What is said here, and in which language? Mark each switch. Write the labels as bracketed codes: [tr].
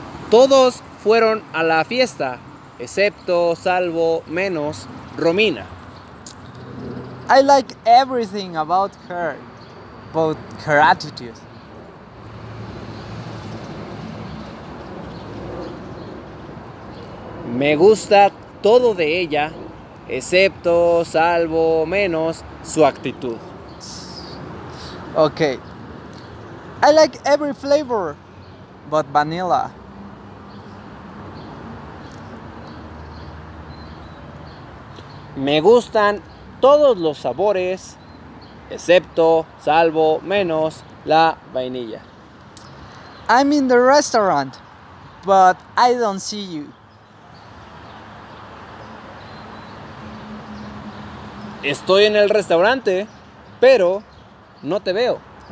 [es] Todos fueron a la fiesta, excepto, salvo, menos, Romina. [en] I like everything about her, but her attitude. [es] Me gusta todo de ella, excepto, salvo, menos, su actitud. [en] Okay. I like every flavor, but vanilla. [es] Me gustan todos los sabores, excepto, salvo, menos, la vainilla. [en] I'm in the restaurant, but I don't see you. [es] Estoy en el restaurante, pero no te veo.